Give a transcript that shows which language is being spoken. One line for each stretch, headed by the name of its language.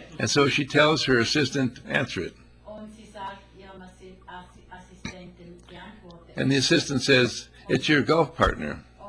English: And so she tells her assistant, answer it.
German: Und sie sagt ihrem Assistenten, beantworte.
English: And the assistant says, it's your golf partner.